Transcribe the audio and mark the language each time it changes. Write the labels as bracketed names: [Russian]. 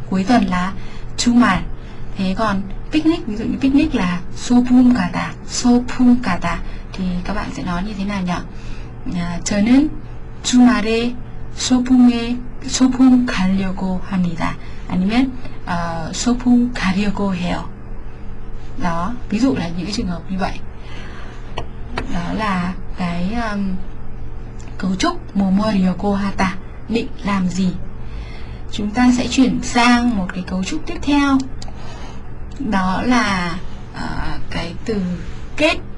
[Vietnamese] Cuối tuần là 주말. Thế còn picnic, ví dụ như picnic là 소풍가다. 소풍가다 thì các bạn sẽ nói như thế nào nhỉ? [Korean] 저는 주말에 소풍에 소풍 가려고 합니다. 아니면 소풍 가려고 해요. [Vietnamese] Đó, ví dụ là những cái trường hợp như vậy. Đó là cái cấu trúc Momoryoko Hata, định làm gì. Chúng ta sẽ chuyển sang một cái cấu trúc tiếp theo. Đó là cái từ kết.